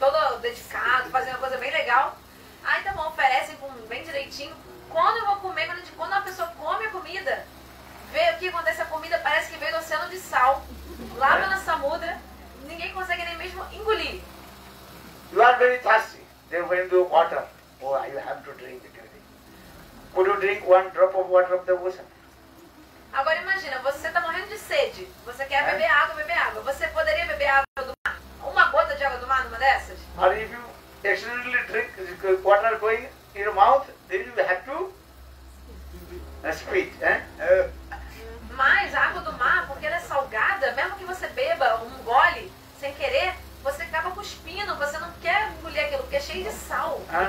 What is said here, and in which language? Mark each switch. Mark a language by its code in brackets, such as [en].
[pt] Todo dedicado, fazendo uma coisa bem legal. Aí tá bom, oferecem bem direitinho. Quando eu vou comer, quando a pessoa come a comida, vê o que acontece, a comida parece que veio do oceano de sal. Lava na samudra, ninguém consegue nem mesmo engolir. [en] You are very thirsty. Then when you do water, oh, you have to drink it. Could you drink one drop of water of the ocean? [pt] Agora imagina, você está morrendo de sede. Você quer beber água. Você poderia beber água do mar? Uma gota de água do mar numa dessas? [en] But if you accidentally drink water going in your mouth, then you have to spit. [pt] Mas a água do mar, porque ela é salgada, mesmo que você beba um gole sem querer, você acaba cuspindo. Você não quer engolir aquilo, porque é cheio de sal.